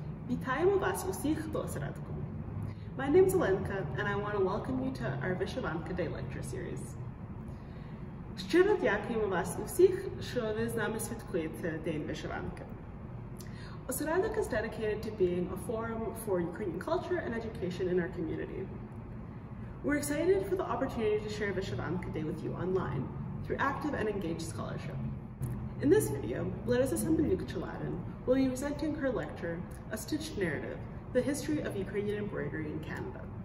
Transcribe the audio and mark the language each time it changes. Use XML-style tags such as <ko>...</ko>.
<uk>Вітаємо вас усіх до Осередку.</uk> <en>My name is Оленка, and I want to welcome you to our Vyshyvanka Day Lecture Series.</en> <uk>Щиро дякуємо вас усіх, що ви з нами святкуєте День Вишиванки.</uk> <en>Oseredok is dedicated to being a forum for Ukrainian culture and education in our community. We're excited for the opportunity to share Vyshyvanka Day with you online through active and engaged scholarship. In this video, Larisa Sembaliuk Cheladyn will be presenting her lecture, A Stitched Narrative, The History of Ukrainian Embroidery in Canada.</en>